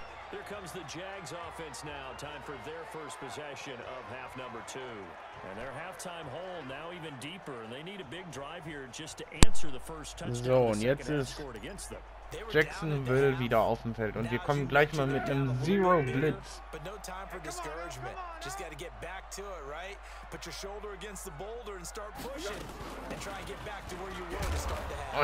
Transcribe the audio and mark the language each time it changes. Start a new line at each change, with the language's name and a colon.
English: Here comes the Jags offense now. Time for their first possession of half number two. And their halftime hole now even deeper. And they need a big drive here just to answer the first touchdown.
German: So, und jetzt ist Jacksonville wieder auf dem Feld. Und wir kommen gleich mal mit einem Zero Blitz.
English: But no time for discouragement. Just got to get back to it, right? Put your shoulder against the boulder and start pushing. And try and get back to where you were to start the half.